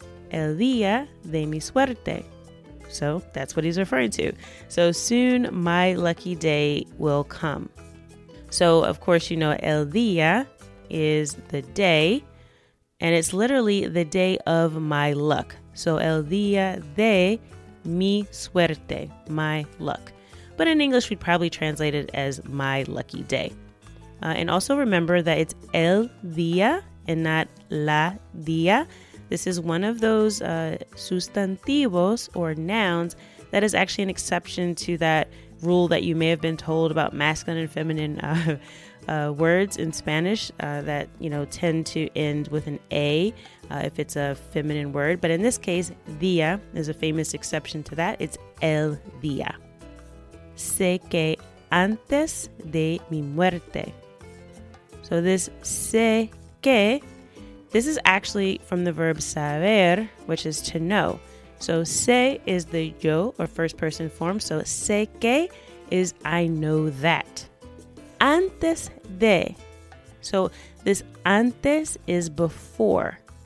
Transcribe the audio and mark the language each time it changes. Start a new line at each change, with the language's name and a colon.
Spanish: El día de mi suerte.
English: So that's what he's referring to. So soon my lucky day will come. So of course, you know, el día is the day, and it's literally the day of my luck.
Spanish: So el día de mi suerte,
English: my luck. But in English, we'd probably translate it as my lucky day. And also remember that it's el día and not la día. This is one of those sustantivos or nouns that is actually an exception to that rule that you may have been told about masculine and feminine words in Spanish that, you know, tend to end with an A if it's a feminine word. But in this case, día is a famous exception to that. It's el día.
Spanish: Sé que antes de mi muerte.
English: So this sé que, this is actually from the verb saber, which is to know. So sé is the yo or first person form. So sé que is I know that.
Spanish: Antes de.
English: So this antes is before.